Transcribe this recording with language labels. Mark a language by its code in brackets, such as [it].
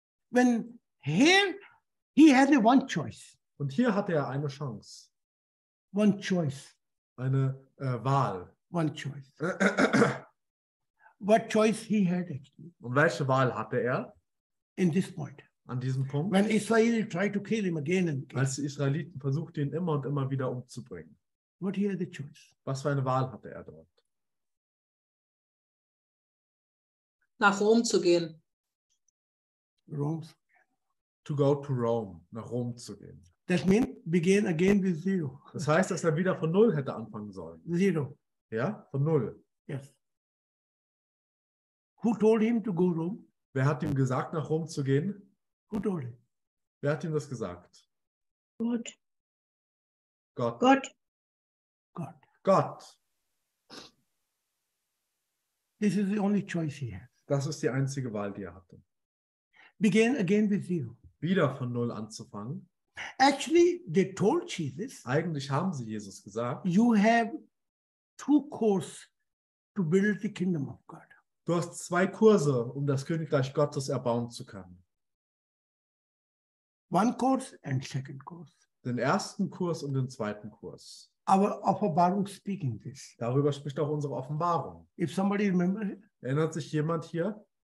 [en] When here he had a one choice. [de] Und hier hatte er eine Chance. [en] One choice. [de] Eine Wahl. [en] One choice. What choice he had actually? [de] Und welche Wahl hatte er? [en] In this point. [de] An diesem Punkt. [en] When Israel tried to kill him again and again. [de] Als die Israeliten versuchten, ihn immer und immer wieder umzubringen. [en] What he had the choice? [de] Was für eine Wahl hatte er dort? Nach Rom zu gehen. [en] Rome. To go to Rome. [de] Nach Rom zu gehen. [en] That means begin again with zero. [de] Das heißt, dass er wieder von null hätte anfangen sollen. [en] Zero. [de] Ja, von null. [en] Yes. Who told him to go to Rome? [de] Wer hat ihm gesagt, nach Rom zu gehen? Gut, Ole. Wer hat ihm das gesagt? Gott. Gott. Gott. Gott. Gott. [en] This is the only choice he has. [de] Das ist die einzige Wahl, die er hatte. [en] Begin again with zero. [de] Wieder von null anzufangen. [en] Actually, they told Jesus. [de] Eigentlich haben sie Jesus gesagt. [en] You have two courses to build the kingdom of God. [de] Du hast zwei Kurse, um das Königreich Gottes erbauen zu können. [en] One course and second course. [de] Den ersten Kurs und den zweiten Kurs. [en] Our Offenbarung speaking this. [de] Darüber spricht auch unsere Offenbarung. [en] If somebody remember, [de] erinnert sich jemand hier?